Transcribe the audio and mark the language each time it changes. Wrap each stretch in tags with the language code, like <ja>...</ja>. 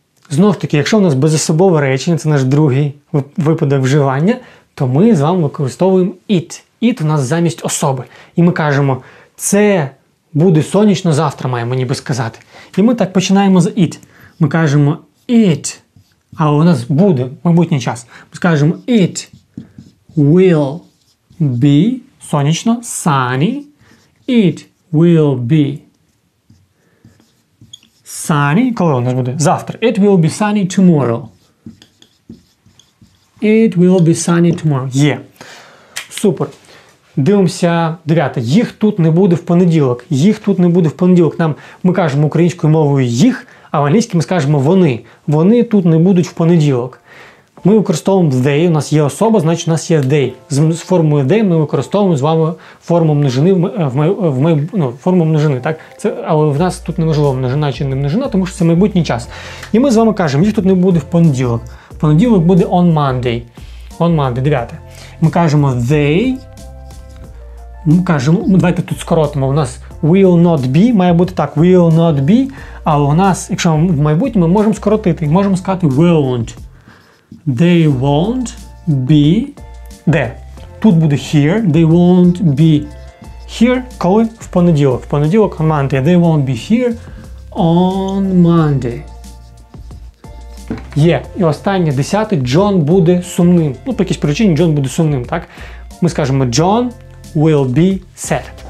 <uk>Знов таки, якщо у нас безособове речення, це наш другий випадок вживання, то ми з вами використовуємо it. It у нас замість особи. І ми кажемо, це буде сонячно завтра, маємо ніби сказати. І ми так починаємо з it. Ми кажемо it, а у нас буде майбутній час. Ми скажемо</uk> <en>it will be</en> <uk>сонячно, sunny.</uk> <en>It will be sunny.</en> <uk>Коли у нас буде? Завтра.</uk> <en>It will be sunny tomorrow. It will be sunny tomorrow.</en> <uk>Є. Супер. Дивимося, дев'яте. Їх тут не буде в понеділок. Їх тут не буде в понеділок. Нам, ми кажемо українською мовою їх, а в англійській ми скажемо вони. Вони тут не будуть в понеділок. Ми використовуємо they. У нас є особа, значить у нас є they. З формою they ми використовуємо з вами форму множини форму множини, так? Це, але в нас тут неможливо множина чи не множина, тому що це майбутній час. І ми з вами кажемо, їх тут не буде в понеділок. Понеділок буде on Monday. On Monday, дев'яте. Ми кажемо they. Ми кажемо, давайте тут скоротимо. У нас will not be, має бути так, will not be. Але у нас, якщо в майбутньому, ми можемо скоротити. Можемо сказати won't.</uk> <en>They won't be.</en> <uk>Де? Тут буде here.</uk> <en>They won't be here.</en> <uk>Коли? В понеділок. В понеділок on Monday.</uk> <en>They won't be here on Monday.</en> <uk>Є. І останнє, десяте, John буде сумним. Ну, по якійсь причині John буде сумним, так? Ми скажемо,</uk> <en>John will be sad.</en>